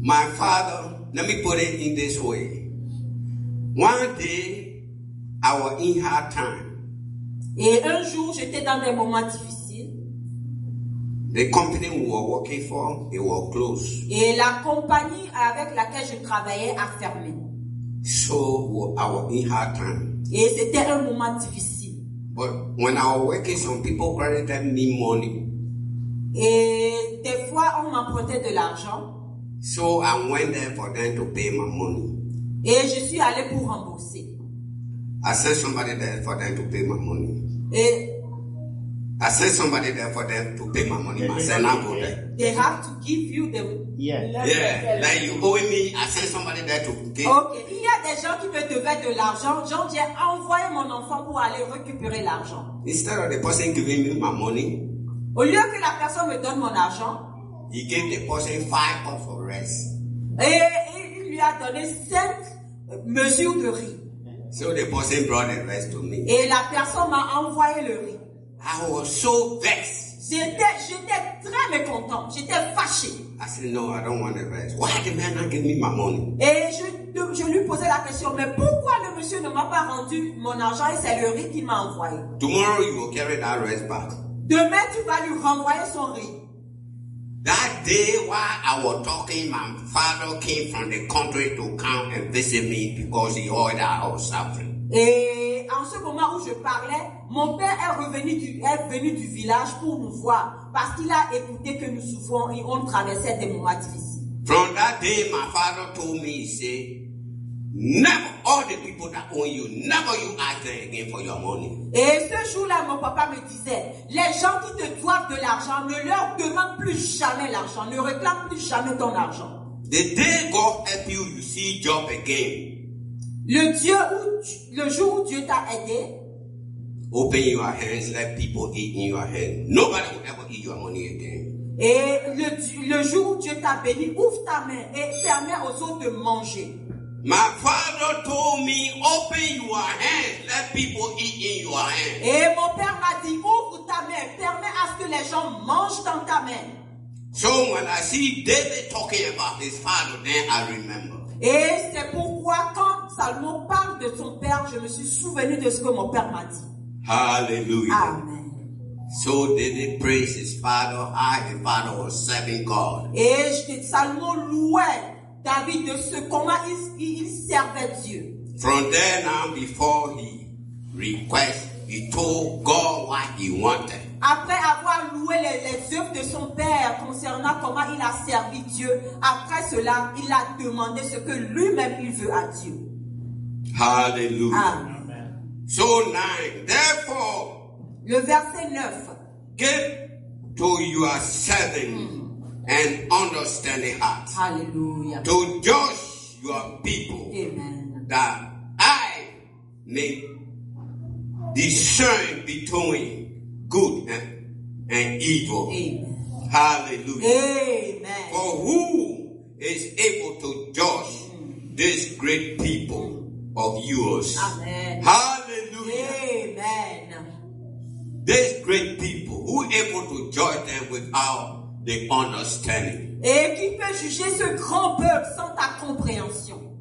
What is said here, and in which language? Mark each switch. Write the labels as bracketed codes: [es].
[en] My father, let me put it in this way. One day, I was in hard time. [fr] Et un jour, j'étais dans des moments difficiles. [en] The company we were working for, it was closed. [fr] Et la compagnie avec laquelle je travaillais a fermé. [en] So, I was in hard time. [fr] Et c'était un moment difficile. [en] But when I was working, some people credited me money. [fr] Et des fois, on m'empruntait de l'argent. [en] So, I went there for them to pay my money. [fr] Et je suis allé pour rembourser. [en] I sent somebody there for them to pay my money. [fr] Et [en] I sent somebody there for them to pay my money. I said, I'm going there. They have to give you the. Yeah. Yeah. Like you owe me. I sent somebody there to give. Okay. [fr] Il y a des gens qui me devaient de l'argent. Jean, j'ai envoyé mon enfant pour aller récupérer l'argent. [en] Instead of the person giving me my money, [fr] au lieu que la personne me donne mon argent, [en] he gave the person 5 of rice. [fr] Et il lui a donné 5 mesures de riz. [en] So the person brought the rice to me. [fr] Et la personne m'a envoyé le riz. [en] I was so vexed. [fr] J'étais très mécontent. J'étais fâché. [en] I said, no, I don't want the rice. Why the man not give me my money? [fr] Et je lui posais la question, mais pourquoi le monsieur ne m'a pas rendu mon argent et c'est le riz qu'il m'a envoyé? [en] Tomorrow you will carry that rice back. [fr] Demain tu vas lui renvoyer son riz. [en] That day while I was talking, my father came from the country to come and visit me because he heard that I was suffering. [fr] Et en ce moment où je parlais, mon père est venu du village pour nous voir parce qu'il a écouté que nous souffrons et on traversait des moments difficiles. [en] From that day, my father told me, he said, never all the people that own you, never you ask them again for your money. [fr] Et ce jour-là, mon papa me disait, les gens qui te doivent de l'argent, ne leur demande plus jamais l'argent, ne réclame plus jamais ton argent. [en] The day God help you, you see job again. [fr] Le jour où Dieu t'a aidé, [en] open your hands, let people eat in your hands. Nobody will ever eat your money again. [fr] Et le jour où Dieu t'a béni, ouvre ta main et permet aux autres de manger. [en] My father told me, open your hands, let people eat in your hands. [fr] Et mon père m'a dit, ouvre ta main, permet à ce que les gens mangent dans ta main. [en] So when I see David talking about his father, then I remember. [fr] Et c'est pourquoi quand Salomon parle de son père, je me suis souvenu de ce que mon père m'a dit. [en] Hallelujah. Amen. So David praised his father, how his father was serving God. Et Salomon louait David de ce comment il servait Dieu. From then on, before he requested, he told God what he wanted. Après avoir loué les œuvres de son père concernant comment il a servi Dieu, après cela, il a demandé ce que lui-même il veut à Dieu. Hallelujah. Amen. So nine, therefore, [fr] le verset 9. [en] Give to your servant an understanding heart. Hallelujah. To judge your people. Amen. That I may discern between good and evil. Amen. Hallelujah. Amen. For who is able to judge this great people of yours? Amen. Hallelujah. Amen. This great people, who able to judge them without the understanding? [fr] Et qui peut juger ce grand peuple sans ta compréhension?